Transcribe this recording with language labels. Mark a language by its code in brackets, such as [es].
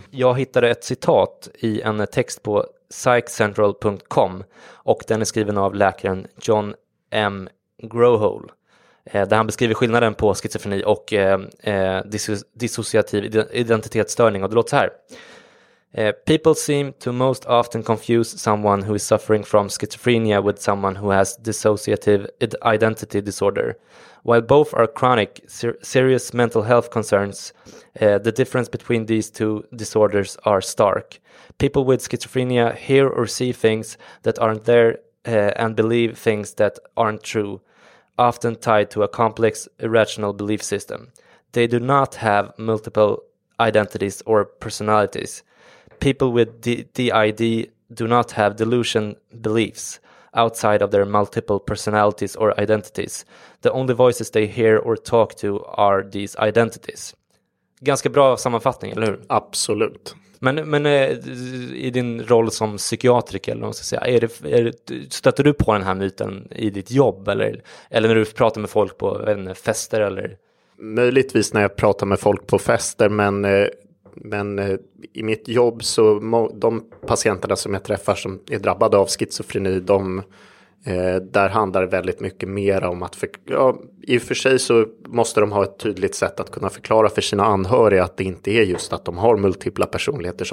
[sv] Jag hittade ett citat i en text på psychcentral.com och den är skriven av läkaren John M. Grohol. Där han beskriver skillnaden på schizofreni och dissociativ identitetsstörning. Och det låter så här. [en] People seem to most often confuse someone who is suffering from schizophrenia with someone who has dissociative identity disorder. While both are chronic, serious mental health concerns, the difference between these two disorders are stark. People with schizophrenia hear or see things that aren't there and believe things that aren't true. Often tied to a complex irrational belief system. They do not have multiple identities or personalities. People with DID do not have delusion beliefs outside of their multiple personalities or identities. The only voices they hear or talk to are these identities. [sv] Ganska bra sammanfattning, eller hur? Absolut. Men i din roll som psykiatriker eller vad ska jag säga, stöter du på den här myten i ditt jobb eller när du pratar med folk på fester eller? Möjligtvis när jag pratar med folk på fester, men i mitt jobb så de patienterna som jag träffar som är drabbade av schizofreni, där handlar det väldigt mycket mer om att i och för sig så måste de ha ett tydligt sätt att kunna förklara för sina anhöriga att det inte är just att de har multipla personligheter.